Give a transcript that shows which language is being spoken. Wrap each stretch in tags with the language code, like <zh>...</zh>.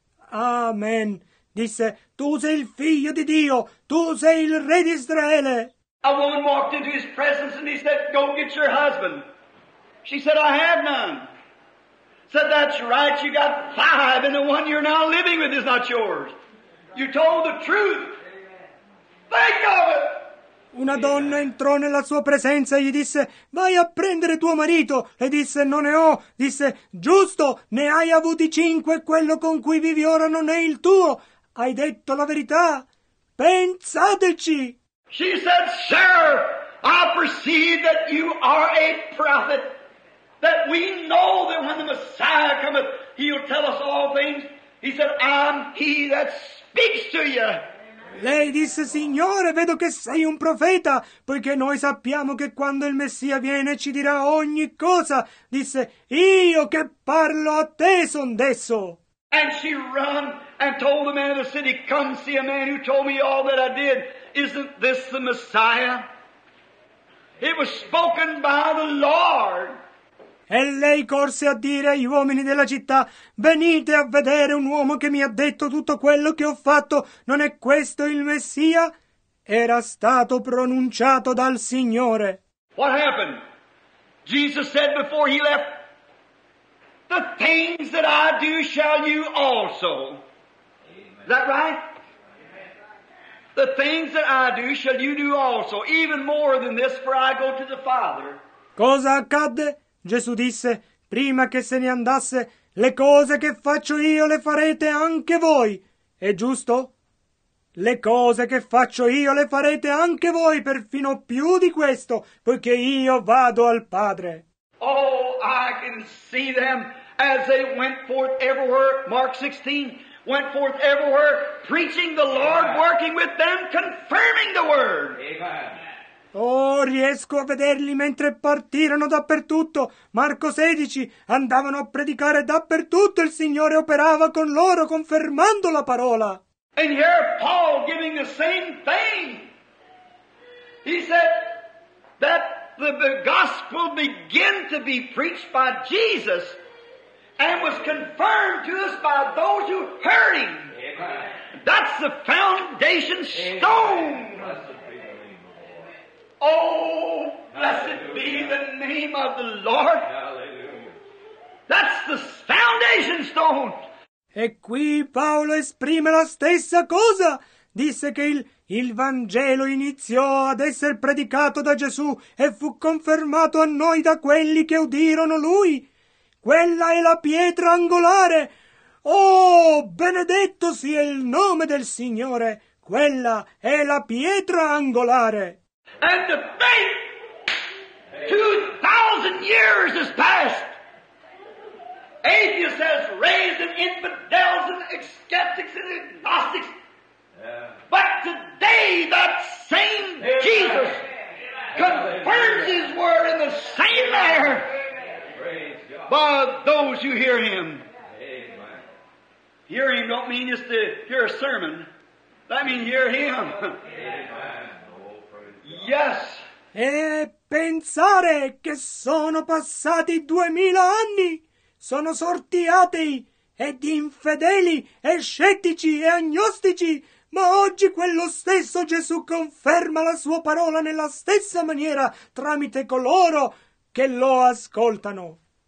<it>Amen. Disse, tu sei il figlio di Dio, tu sei il re di Israele.</it> <en>A woman walked into his presence and he said, go get your husband. She said, I have none. Said, that's right, you got five, and the one you're now living with is not yours. You told the truth. Think of it.</en> <it>Una donna entrò nella sua presenza e gli disse, vai a prendere tuo marito. E disse, non ne ho. Disse, giusto, ne hai avuti cinque, quello con cui vivi ora non è il tuo. Hai detto la verità. Pensateci.</it> <en>She said, sir, I perceive that you are a prophet, that we know that when the Messiah cometh, he'll tell us all things. He said, I'm he that speaks to you.</en> <it>Lei disse, Signore, vedo che sei un profeta, poiché noi sappiamo che quando il Messia viene ci dirà ogni cosa. Disse, io che parlo a te son desso.</it> <en>And she ran and told the man of the city, come see a man who told me all that I did. Isn't this the Messiah? It was spoken by the Lord.</en> <it>E lei corse a dire agli uomini della città, venite a vedere un uomo che mi ha detto tutto quello che ho fatto. Non è questo il Messia? Era stato pronunciato dal Signore.</it> <en>What happened? Jesus said before he left, the things that I do shall you also. Amen. Is that right? Amen. The things that I do shall you do also, even more than this, for I go to the Father.</en> <it>Cosa accadde? Gesù disse, prima che se ne andasse, le cose che faccio io le farete anche voi. È giusto? Le cose che faccio io le farete anche voi, perfino più di questo, poiché io vado al Padre.</it> <en>Oh, I can see them as they went forth everywhere, Mark 16, went forth everywhere, preaching the Lord, working with them, confirming the word. Amen.</en> <it>Oh, riesco a vederli mentre partirono dappertutto. Marco 16, andavano a predicare dappertutto, il Signore operava con loro, confermando la parola.</it> <en>And here Paul giving the same thing. He said that the gospel began to be preached by Jesus and was confirmed to us by those who heard him. Amen. That's the foundation stone. Amen. Oh, blessed be the name of the Lord. That's the foundation stone.</en> <it>E qui Paolo esprime la stessa cosa. Disse che il Vangelo iniziò ad essere predicato da Gesù e fu confermato a noi da quelli che udirono lui. Quella è la pietra angolare. Oh, benedetto sia il nome del Signore. Quella è la pietra angolare.</it> <en>And the faith, 2,000 years has passed. Atheists has raised in infidels and skeptics and agnostics. But today that same Jesus confirms his word in the same manner by those who hear him. Hear him don't mean just to hear a sermon. That means hear him. Yes.</en> <it>E pensare che sono passati 2000 anni, sono sorti atei ed infedeli e scettici e agnostici, ma oggi quello stesso Gesù conferma la sua parola nella stessa maniera tramite coloro che lo ascoltano.</it>